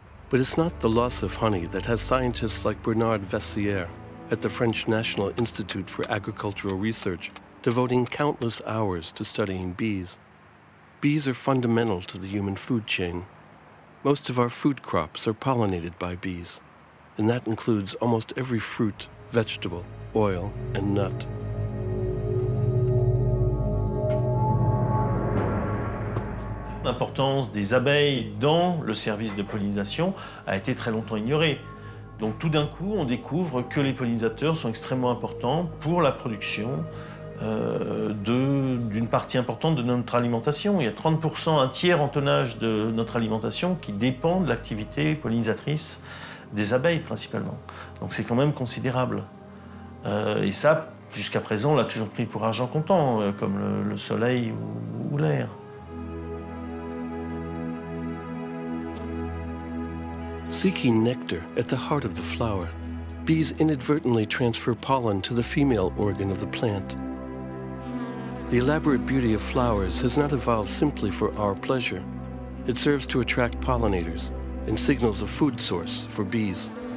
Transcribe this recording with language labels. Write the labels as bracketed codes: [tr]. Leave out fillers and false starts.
[en] But it's not the loss of honey that has scientists like Bernard Vessière at the French National Institute for Agricultural Research, devoting countless hours to studying bees. Bees are fundamental to the human food chain. Most of our food crops are pollinated by bees, and that includes almost every fruit, vegetable, oil, and nut. [fr] L'importance des abeilles dans le service de pollinisation a été très longtemps ignorée. Donc tout d'un coup, on découvre que les pollinisateurs sont extrêmement importants pour la production d'une partie importante de notre alimentation. Il y a 30%, un tiers en tonnage de notre alimentation qui dépend de l'activité pollinisatrice des abeilles principalement. Donc c'est quand même considérable. Et ça, jusqu'à présent, on l'a toujours pris pour argent comptant, comme le soleil ou l'air. [en] Seeking nectar at the heart of the flower, bees inadvertently transfer pollen to the female organ of the plant. The elaborate beauty of flowers has not evolved simply for our pleasure. It serves to attract pollinators and signals a food source for bees.